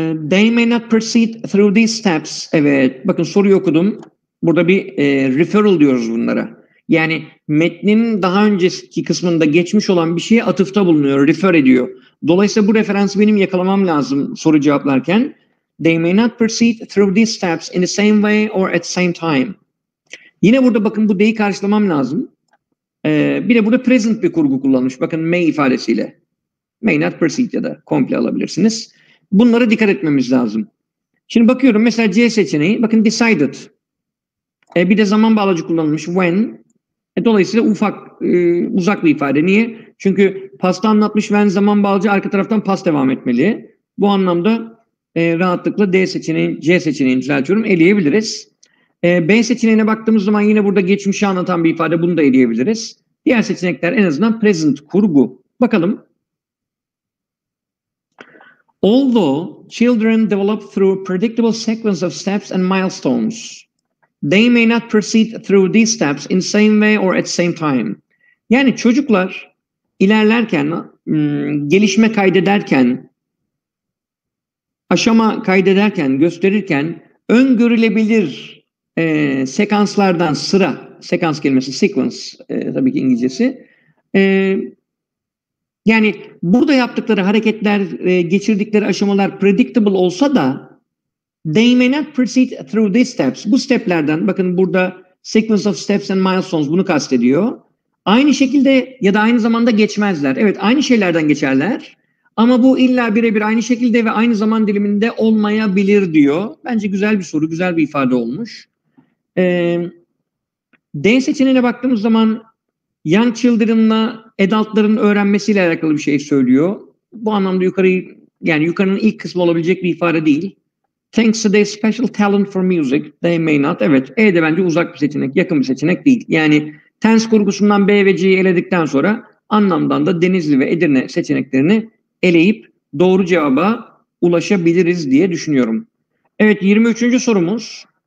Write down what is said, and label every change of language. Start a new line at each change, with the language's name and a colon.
English: They may not proceed through these steps.
Turkish: Evet, bakın soruyu okudum. Burada bir referral diyoruz bunlara. Yani metnin daha önceki kısmında geçmiş olan bir şeye atıfta bulunuyor, refer ediyor. Dolayısıyla bu referansı benim yakalamam lazım soru cevaplarken.
English: They may not proceed through these steps in the same way or at the same time.
Turkish: Yine burada bakın bu they'i karşılamam lazım. Bir de burada present bir kurgu kullanmış. Bakın may ifadesiyle.
English: May not proceed
Turkish: ya da komple alabilirsiniz. Bunlara dikkat etmemiz lazım. Şimdi bakıyorum mesela C seçeneği. Bakın decided. Bir de zaman bağlacı kullanılmış. When. Dolayısıyla uzak bir ifade. Niye? Çünkü past'ı anlatmış. When zaman bağlacı arka taraftan past devam etmeli. Bu anlamda rahatlıkla D seçeneği, C seçeneğini düzeltiyorum. Eleyebiliriz. B seçeneğine baktığımız zaman yine burada geçmişi anlatan bir ifade. Bunu da eleyebiliriz. Diğer seçenekler en azından present kurgu. Bakalım.
English: Although children develop through a predictable sequence of steps and milestones, they may not proceed through these steps in the same way or at the same time.
Turkish: Yani çocuklar ilerlerken, gelişme kaydederken, aşama kaydederken, gösterirken öngörülebilir sekanslardan sıra, sekans kelimesi sequence tabii ki İngilizcesi. Yani burada yaptıkları hareketler, geçirdikleri aşamalar predictable olsa da
English: they may not proceed through these steps.
Turkish: Bu steplerden, bakın burada
English: sequence of steps and milestones
Turkish: bunu kastediyor. Aynı şekilde ya da aynı zamanda geçmezler. Evet, aynı şeylerden geçerler. Ama bu illa birebir aynı şekilde ve aynı zaman diliminde olmayabilir diyor. Bence güzel bir soru, güzel bir ifade olmuş. D seçeneğine baktığımız zaman young children'la adultların öğrenmesiyle alakalı bir şey söylüyor. Bu anlamda yukarının ilk kısmı olabilecek bir ifade değil.
English: Thanks to their special talent for music, they may not.
Turkish: Evet, E de bence uzak bir seçenek, yakın bir seçenek değil. Yani tense kurgusundan B ve C'yi eledikten sonra anlamdan da Denizli ve Edirne seçeneklerini eleyip doğru cevaba ulaşabiliriz diye düşünüyorum. Evet, 23. sorumuz.